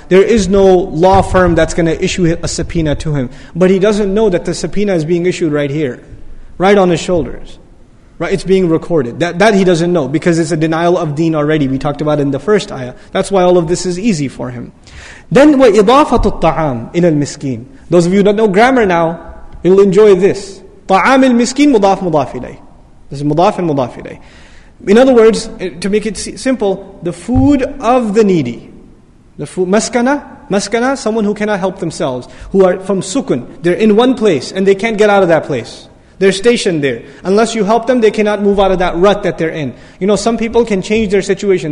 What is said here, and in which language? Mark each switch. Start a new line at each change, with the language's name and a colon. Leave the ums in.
English: There is no law firm that's going to issue a subpoena to him. But he doesn't know that the subpoena is being issued right here, right on his shoulders. Right, it's being recorded. That, that he doesn't know because it's a denial of deen already. We talked about in the first ayah. That's why all of this is easy for him. Then
Arabic: وإضافة الطعام إلى المسكين.
English: Those of you that know grammar now, you'll enjoy this.
Arabic: طعام المسكين مضاف مضاف إليه.
English: This is مضاف and مضاف إليه. In other words, to make it simple, the food of the needy. The food, maskana, maskana, someone who cannot help themselves, who are from sukun, they're in one place and they can't get out of that place. They're stationed there. Unless you help them, they cannot move out of that rut that they're in. You know, some people can change their situation.